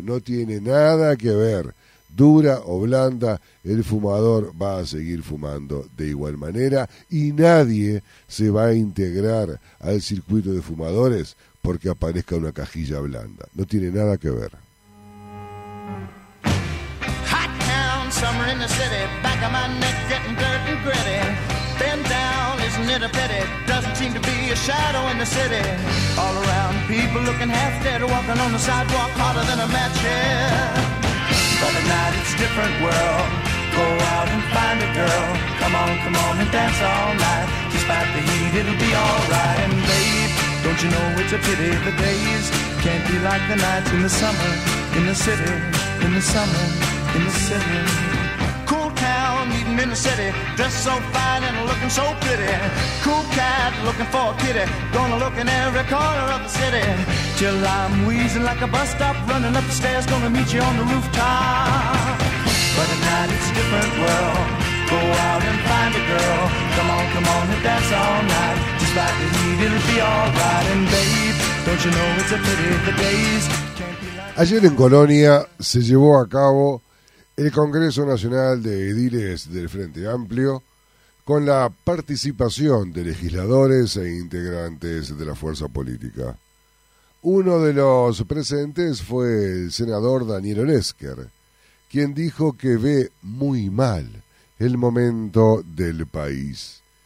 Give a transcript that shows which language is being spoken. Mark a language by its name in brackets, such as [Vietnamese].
[Spanish] No tiene nada que ver. Dura o blanda, el fumador va a seguir fumando de igual manera y nadie se va a integrar al circuito de fumadores porque aparezca una cajilla blanda. No tiene nada que ver. [English] Hot town, summer in the city, back of my neck getting dirty and gritty. Bend down, isn't it a pity, doesn't seem to be a shadow in the city. All around, people looking half dead, walking on the sidewalk harder than a match here. But at night it's a different world. Go out and find a girl. Come on and dance all night. Despite the heat, it'll be alright. And babe, don't you know it's a pity the days can't be like the nights in the summer, in the city, in the summer, in the city. Cool town, meeting in the city, dressed so fine and looking so pretty. Cool cat, looking for a kitty, gonna look in every corner of the city. Till I'm wheezing like a bus stop, running up the stairs, gonna meet you on the rooftop. But at night it's a different world, go out and find a girl. Come on and dance all night, just like the heat, it'll be alright. And babe, don't you know it's a pity the days. [Spanish] Ayer en Colonia se llevó a cabo el Congreso Nacional de Ediles del Frente Amplio con la participación de legisladores e integrantes de la fuerza política. Uno de los presentes fue el senador Daniel Oresker, quien dijo que ve muy mal el momento del país.